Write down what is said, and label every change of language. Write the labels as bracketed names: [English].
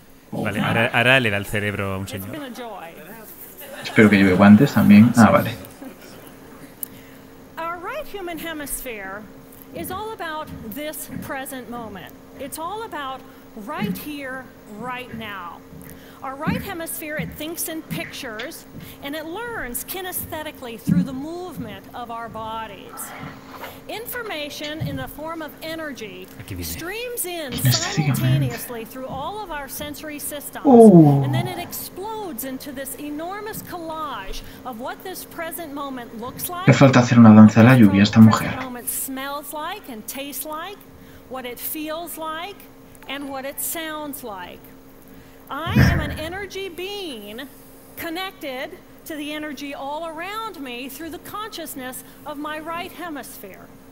[Spanish] Vale, ahora le da el cerebro a un señor. Espero que lleve guantes también. Ah, vale. [English] Our right human hemisphere is all about this present moment. It's all about right here, right now. Our right hemisphere, it thinks in pictures and it learns kinesthetically through the movement of our bodies. Information in the form of energy streams in simultaneously through all of our sensory systems. And then it explodes into this enormous collage of what this present moment looks like. [Spanish] Le falta hacer una danza de la lluvia a esta mujer. [English] What it smells like and tastes like, what it feels like, and what it sounds like. I am an energy being connected to the energy all around me through the consciousness of my right hemisphere.